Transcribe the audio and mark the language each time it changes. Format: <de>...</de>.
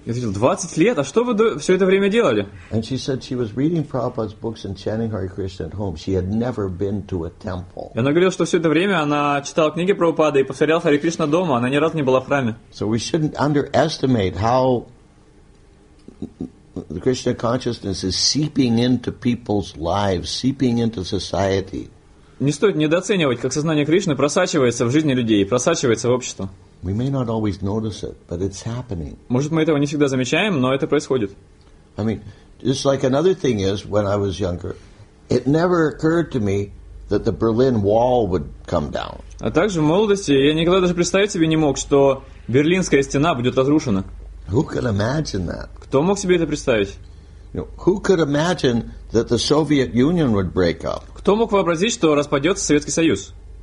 <ru>Я сказал, 20 лет, а что вы все это время делали?</ru> <en>And she said she was reading Prabhupada's books and chanting Hare Krishna at home. She had never been to a temple.</en> <ru>Она говорила, что все это время она читала книги Прабхупады и повторяла Харе Кришна дома. Она ни разу не была в храме.</ru> <en>So we shouldn't underestimate how the Krishna consciousness is seeping into people's lives, seeping into society.</en> <ru>Не стоит недооценивать, как сознание Кришны просачивается в жизни людей, просачивается в общество.</ru> <en>We may not always notice it, but it's happening.</en> <ru>Может, мы этого не всегда замечаем, но это происходит.</ru> <en>I mean, just like another thing is, when I was younger, it never occurred to me that the Berlin Wall would come down.</en> <ru>А также в молодости я никогда даже представить себе не мог, что Берлинская стена будет разрушена.</ru> <en>Who could imagine that?</en> <ru>Кто мог себе это представить?</ru> <en>Who could imagine that the Soviet Union would break up?</en> <ru>Кто мог вообразить, что распадется Советский Союз?</ru>